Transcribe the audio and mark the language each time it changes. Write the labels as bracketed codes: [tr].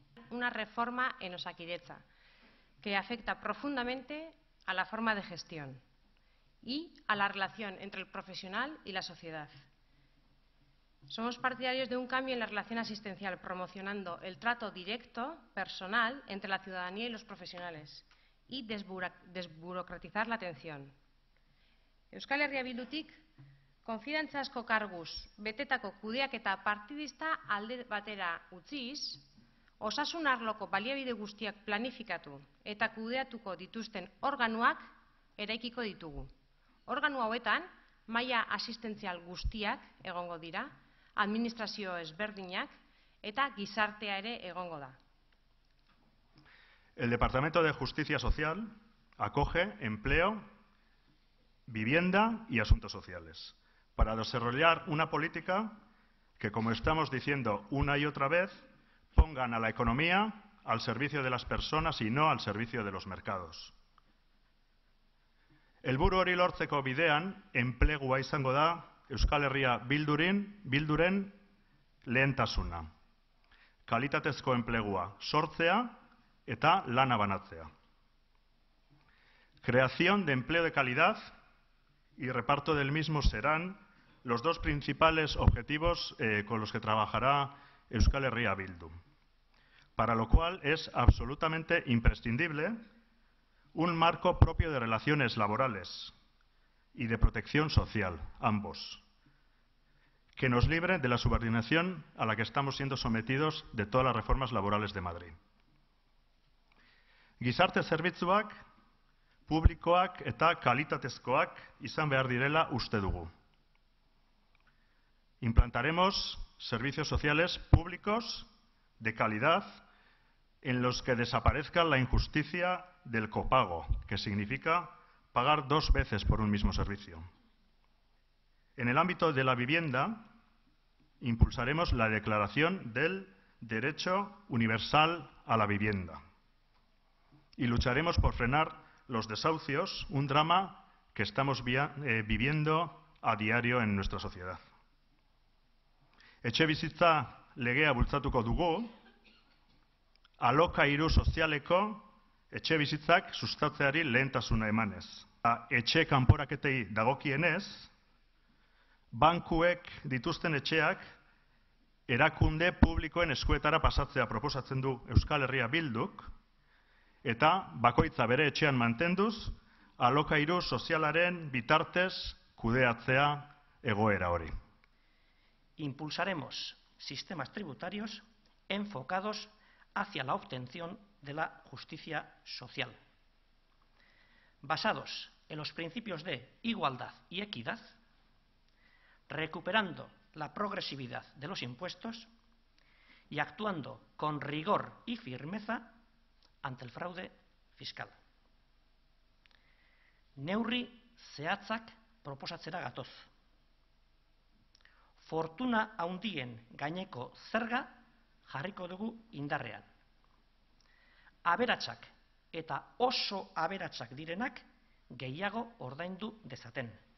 [es] Una reforma en Osakidetza que afecta profundamente a la forma de gestión y a la relación entre el profesional y la sociedad. Somos partidarios de un cambio en la relación asistencial, promocionando el trato directo, personal, entre la ciudadanía y los profesionales y desburocratizar la atención. [eu] Euskal Herria Bildutik konfidantzazko karguz betetako kudeaketa partidista alde batera utziz, osasun arloko baliabide guztiak planifikatu eta kudeatuko dituzten organuak eraikiko ditugu. Organu hauetan, maila asistentzial guztiak egongo dira, administrazio ezberdinak eta gizartea ere egongo da. [es] El Departamento de Justicia Social acoge empleo vivienda y asuntos sociales, para desarrollar una política que, como estamos diciendo una y otra vez, pongan a la economía al servicio de las personas y no al servicio de los mercados. [eu] Helburu hori lortzeko bidean, enplegua izango da Euskal Herria bilduren lehentasuna. Kalitatezko enplegua sortzea eta lana banatzea. [es] Creación de empleo de calidad y reparto del mismo serán los dos principales objetivos con los que trabajará Euskal Herria Bildu, para lo cual es absolutamente imprescindible un marco propio de relaciones laborales y de protección social, ambos, que nos libre de la subordinación a la que estamos siendo sometidos de todas las reformas laborales de Madrid. [eu] Gizarte zerbitzuak, publikoak eta kalitatezkoak izan behar direla uste dugu. [es] Implantaremos servicios sociales públicos de calidad en los que desaparezca la injusticia del copago, que significa pagar dos veces por un mismo servicio. En el ámbito de la vivienda, impulsaremos la declaración del derecho universal a la vivienda y lucharemos por frenar los desahucios, un drama que estamos viviendo a diario en nuestra sociedad. [eu] Etxebizitza legea bultzatuko dugu, alokairu sozialeko etxebizitzak sustatzeari lehentasuna emanez. Etxe kanporaketei dagokienez, bankuek dituzten etxeak erakunde publikoen eskuetara pasatzea proposatzen du Euskal Herria Bilduk, eta bakoitza bere etxean mantenduz, alokairu sozialaren bitartez kudeatzea egoera hori. [es] Impulsaremos sistemas tributarios enfocados hacia la obtención de la justicia social. Basados en los principios de igualdad y equidad, recuperando la progresividad de los impuestos y actuando con rigor y firmeza ante el fraude fiscal. [eu] Neurri zehatzak proposatzera gatoz. Fortuna haundien gaineko zerga jarriko dugu indarrean. Aberatsak eta oso aberatsak direnak gehiago ordaindu dezaten.